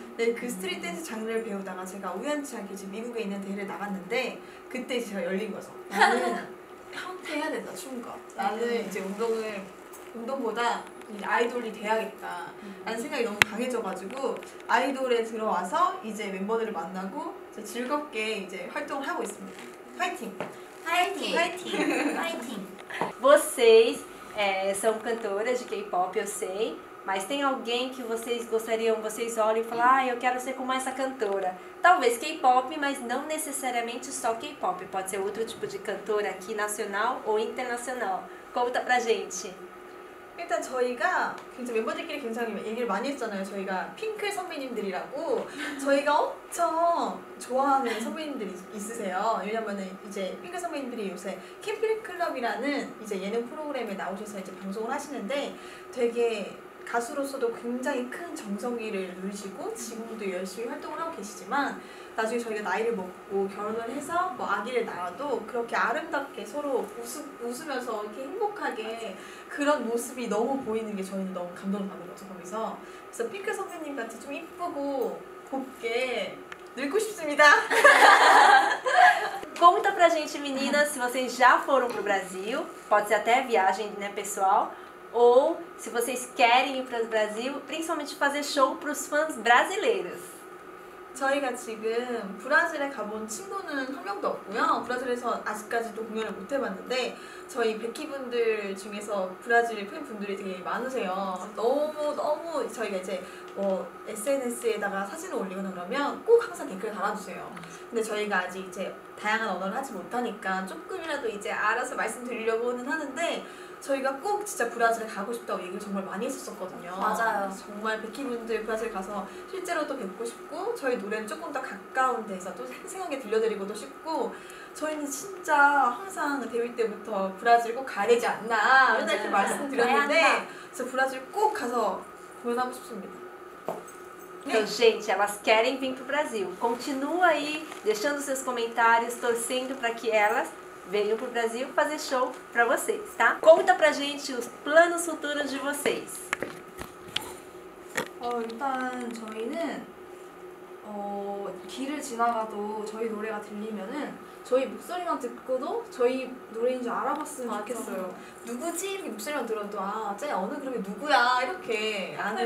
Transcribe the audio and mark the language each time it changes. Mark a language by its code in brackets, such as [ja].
[ko] 근데 그 스트릿 댄스 장르를 배우다가 제가 우연치 않게 이제 미국에 있는 대회를 나갔는데 그때 제가 열린 거죠. 해야 된다, 춤과. 나는 이제 운동보다 아이돌이 돼야겠다. 라는 생각이 너무 강해져가지고, 아이돌에 들어와서 이제 멤버들을 만나고, 이제 즐겁게 이제 활동을 하고 있습니다. 화이팅! 화이팅! 화이팅! 화이팅! [pt] Vocês são cantoras de K-pop, eu sei. Mas tem alguém que vocês gostariam, vocês olham e falam, ah, eu quero ser como essa cantora. Talvez K-pop, mas não necessariamente só K-pop. Pode ser outro tipo de cantora aqui, nacional ou internacional. Conta pra gente. [ko] 일단 저희가 굉장히 멤버들끼리 굉장히 얘기를 많이 했잖아요. 저희가 핑클 선배님들이라고 저희가 엄청 좋아하는 선배님들이 있으세요. 왜냐면은 이제 핑클 선배님들이 요새 캠핑클럽이라는 이제 예능 프로그램에 나오셔서 이제 방송을 하시는데 되게 가수로서도 굉장히 큰 정성기를 누리시고 지금도 열심히 활동을 하고 계시지만 나중에 저희가 나이를 먹고 결혼을 해서 뭐 아기를 낳아도 그렇게 아름답게 서로 웃으면서 이렇게 행복하게 그런 모습이 너무 보이는 게 저희는 너무 감동을 받는 거죠. 거기서 그래서 핑크 선배님 같이 좀 이쁘고 곱게 늙고 싶습니다. [pt] Conta pra gente, meninas, se vocês já foram pro Brasil, pode ser até viagem, né, pessoal? Ou se vocês querem ir para o Brasil, principalmente fazer show para os fãs brasileiros. [ko] 저희가 지금 브라질에 가본 친구는 한 명도 없고요. 브라질에서 아직까지도 공연을 못 해봤는데 저희 백희분들 중에서 브라질 팬분들이 되게 많으세요. 너무너무 저희가 이제 뭐 SNS에다가 사진을 올리거나 그러면 꼭 항상 댓글 달아주세요. 근데 저희가 아직 이제 다양한 언어를 하지 못하니까 조금이라도 이제 알아서 말씀드리려고는 하는데 저희가 꼭 진짜 브라질에 가고 싶다고 얘기를 정말 많이 했었거든요. 맞아요. 정말 백희분들 브라질 가서 실제로도 뵙고 싶고 저희 노래는 조금 더 가까운 데서 또 생생하게 들려드리고도 싶고 저희는 진짜 항상 데뷔 때부터 브라질 꼭 가야 되지 않나 맨날 이렇게 말씀드렸는데 그래서 브라질 꼭 가서 공연하고 싶습니다. [pt] Então, gente, elas querem vir pro Brasil. Continua aí deixando seus comentários, torcendo para que elas venham pro Brasil fazer show para vocês, tá? Conta pra gente os planos futuros de vocês. [ko] 일단 저희는 길을 지나가도 저희 노래가 들리면은 저희 목소리만 듣고도 저희 노래인 줄 알아봤으면 좋겠어요. 누구지? 이렇게 목소리만 들어도 아, 쟤 어느 그룹이 누구야? 이렇게 아는